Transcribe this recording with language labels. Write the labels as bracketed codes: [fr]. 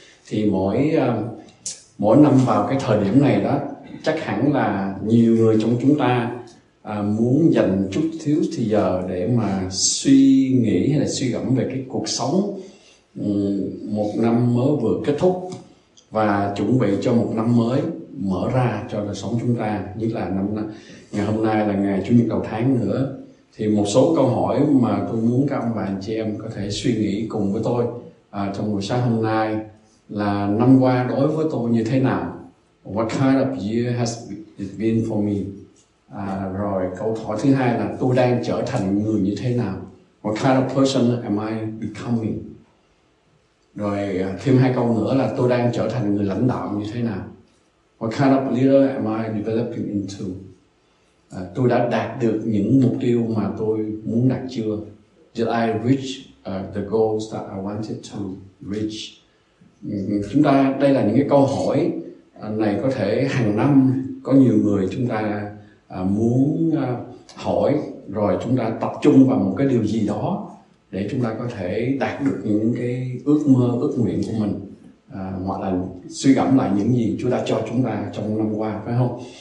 [vi] Thì mỗi năm vào cái thời điểm này đó, chắc hẳn là nhiều người trong chúng ta muốn dành chút thiếu thì giờ để mà suy nghĩ hay là suy gẫm về cái cuộc sống một năm mới vừa kết thúc và chuẩn bị cho một năm mới mở ra cho đời sống chúng ta. Như là năm ngày hôm nay là ngày Chủ nhật đầu tháng nữa, thì một số câu hỏi mà tôi muốn các ông bà anh chị em có thể suy nghĩ cùng với tôi trong buổi sáng hôm nay là: năm qua đối với tôi như thế nào? [en] What kind of year has it been for me? [vi] Rồi câu hỏi thứ hai là: tôi đang trở thành người như thế nào? [en] What kind of person am I becoming? [vi] Rồi thêm hai câu nữa là: tôi đang trở thành người lãnh đạo như thế nào? [en] What kind of leader am I developing into? [vi] Tôi đã đạt được những mục tiêu mà tôi muốn đạt chưa? [en] Did I reach the goals that I wanted to reach? [vi] Chúng ta, đây là những cái câu hỏi này có thể hàng năm có nhiều người chúng ta muốn hỏi, rồi chúng ta tập trung vào một cái điều gì đó để chúng ta có thể đạt được những cái ước mơ, ước nguyện của mình, hoặc là suy gẫm lại những gì Chúa đã cho chúng ta trong năm qua, phải không?